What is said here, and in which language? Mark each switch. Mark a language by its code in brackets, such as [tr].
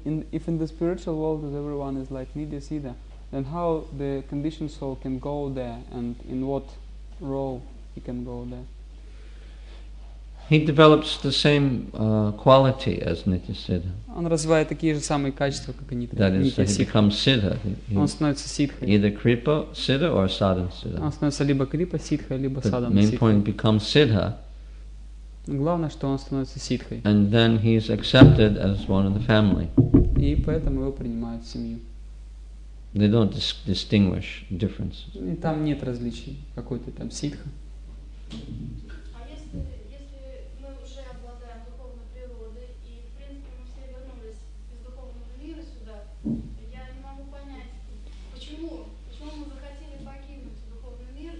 [en] If in the spiritual world everyone is like Nidya Siddha, then how the conditioned soul can go there and in what role he can go there? He develops the same quality as Nidya Siddha. [ru] Он развивает такие же самые качества, как Нидья Сидха. [en] That is, he becomes Siddha. [ru] Он становится Сиддхой. [en] Either Kripa Siddha or Sadhan Siddha. [ru] Он становится либо Kripa Siddha, либо Sadhan Siddha. [en] The main point becomes Siddha. [ru] Главное, что он становится ситхой. [en] And then he is accepted as one of the family. [ru] И поэтому его принимают в семью. [en] They don't distinguish differences. [ru] И там нет различий, какой ты там ситха. А если мы уже обладаем духовной природой, и в принципе мы все вернулись из духовного мира сюда, я не могу понять, почему мы захотели покинуть духовный мир.